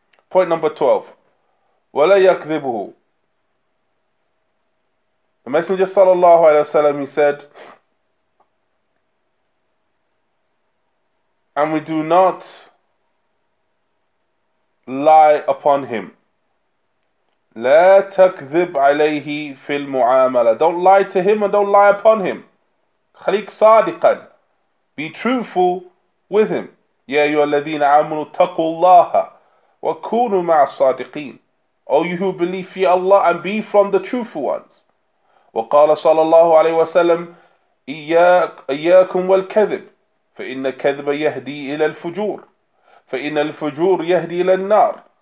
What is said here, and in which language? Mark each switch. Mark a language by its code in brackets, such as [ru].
[en] Point number 12. [ar] وَلَا يَكْذِبُهُ. [en] The Messenger sallallahu alayhi wa sallam, he said, and we do not lie upon him. [ar] لا تكذب عليه في المعاملة. [en] Don't lie to him and don't lie upon him. [ar] خليك صادقا. [en] Be truthful with him. [ar] يا أيها الذين آمنوا اتقوا الله وكونوا مع الصادقين. [en] O you who believe, fear Allah and be from the truthful ones. [ar] وقال صلى الله عليه وسلم إياكم والكذب فإن الكذب يهدي إلى الفجور فإن الفجور يهدي إلى النار.